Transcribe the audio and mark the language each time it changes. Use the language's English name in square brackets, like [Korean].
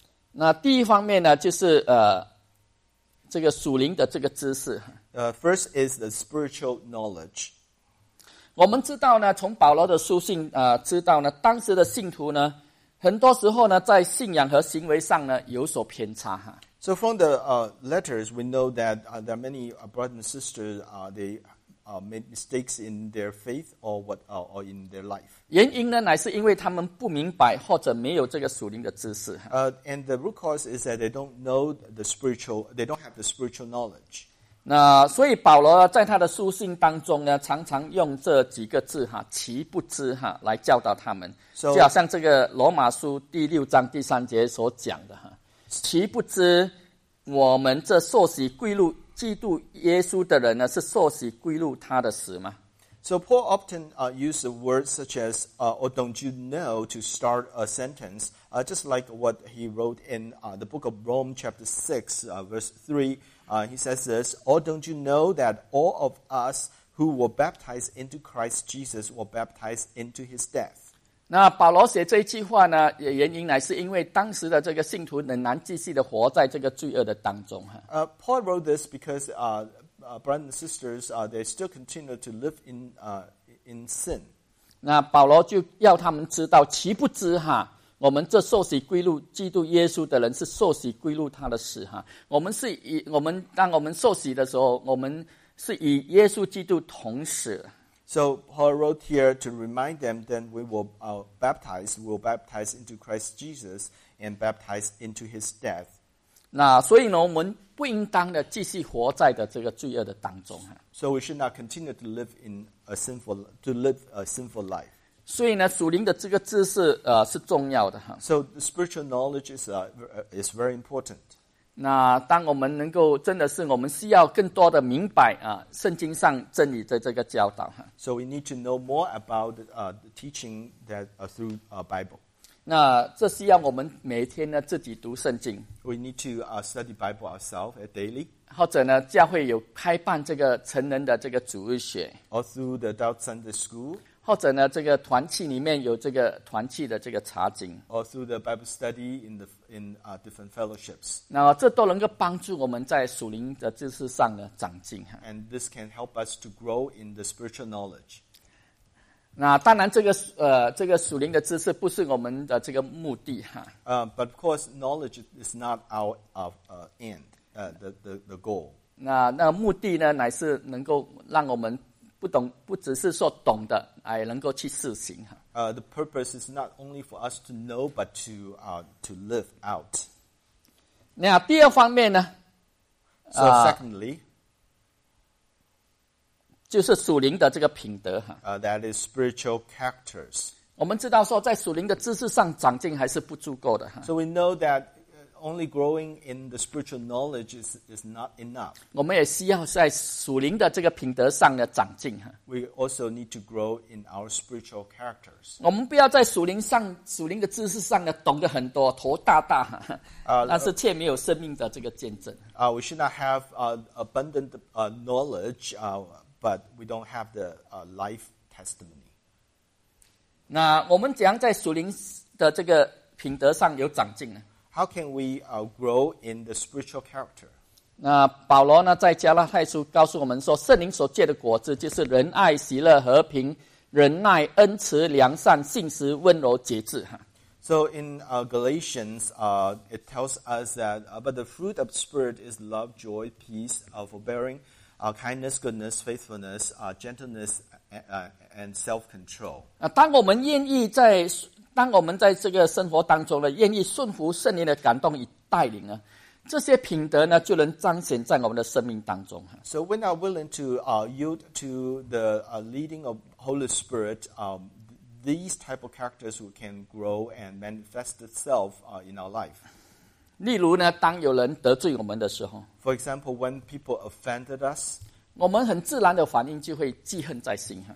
[Chinese] 那第一方面呢，就是这个属灵的这个知识。 [English] First is the spiritual knowledge. [Chinese] 我们知道呢，从保罗的书信知道呢，当时的信徒呢，很多时候呢，在信仰和行为上呢有所偏差。 [English] So from the letters, we know that there are many brothers and sisters. They made mistakes in their faith or in their life. [Chinese] 原因呢，乃是因为他们不明白或者没有这个属灵的知识。 [English] And the root cause is that they don't know the spiritual. They don't have the spiritual knowledge. [Chinese] 那所以保罗在他的书信当中呢，常常用这几个字哈，岂不知哈，来教导他们。 [English] So, [Chinese] 就好像这个罗马书第六章第三节所讲的哈，岂不知我们这受洗归入基督耶稣的人呢，是受洗归入他的死吗 [English] ？So Paul often used words such as "or don't you know" to start a sentence, just like what he wrote in the book of Rome, chapter 6, verse 3. He says this, or don't you know that all of us who were baptized into Christ Jesus were baptized into his death? [Chinese] 那保罗写这一句话呢，原因乃是因为当时的这个信徒仍然继续的活在这个罪恶的当中。 [English] Paul wrote this because brothers and sisters, they still continue to live in sin. [Chinese] 那保罗就要他们知道，岂不知哈？我们这受洗归入基督耶稣的人是受洗归入他的死哈。我们是以我们当我们受洗的时候，我们是与耶稣基督同死。 [English] So Paul wrote here to remind them that we were baptized, we were baptized into Christ Jesus and baptized into his death. [Chinese] 那所以呢，我们不应当的继续活在的这个罪恶的当中哈。 [English] So we should not continue to live in a sinful to live a sinful life. [Chinese] 所以呢，属灵的这个知识是重要的哈。 [English] So the spiritual knowledge is very important. [Chinese] 那当我们能够真的是我们需要更多的明白圣经上真理的这个教导哈。 [English] So we need to know more about the teaching that through Bible. [Chinese] 那这需要我们每天呢自己读圣经。 [English] We need to study Bible ourselves daily. [Chinese] 或者呢，教会有开办这个成人的这个主日学。 [English] Or through the adult Sunday school. [Chinese] 或者呢，这个团契里面有这个团契的这个查经。 [English] Or through the Bible study in different fellowships. [Chinese] 那这都能够帮助我们在属灵的知识上的长进。 [English] And this can help us to grow in the spiritual knowledge. [Chinese] 那当然，这个属灵的知识不是我们的这个目的哈。 [English] But of course, knowledge is not our end, the goal. [Chinese] 那目的呢，乃是能够让我们。不只是说懂的，也能够去实行。 [English] The purpose is not only for us to know, but to live out. [Chinese] 那第二方面呢？ [English] So secondly, [Chinese] 就是属灵的这个品德。 [English] That is spiritual characters. [Chinese] 我们知道说，在属灵的知识上长进还是不足够的。 [English] So we know that only growing in the spiritual knowledge is not enough. [Chinese] 我们也需要在属灵的这个品德上的长进。 [English] We also need to grow in our spiritual characters. [Chinese] 我们不要在属灵的知识上呢懂得很多，头大大，但是却没有生命的这个见证。 [English] We should not have abundant knowledge, but we don't have the life testimony. [Chinese] 那我们怎样在属灵的这个品德上有长进呢？ [English] How can we grow in the spiritual character? [Chinese] 那保罗呢，在加拉太书告诉我们说，圣灵所结的果子就是仁爱、喜乐、和平、忍耐、恩慈、良善、信实、温柔、节制。 [English] So in Galatians, it tells us that, but the fruit of the Spirit is love, joy, peace, forbearing, kindness, goodness, faithfulness, gentleness, and self-control. [Chinese] 那当我们愿意在当我们在这个生活当中呢，愿意顺服圣灵的感动与带领呢，这些品德呢，就能彰显在我们的生命当中。 [English] So when we are willing to yield to the leading of Holy Spirit, these type of characters who can grow and manifest itself in our life. [Chinese] 例如呢，当有人得罪我们的时候 [English] ，For example, when people offended us. [Chinese] 我们很自然的反应就会记恨在心。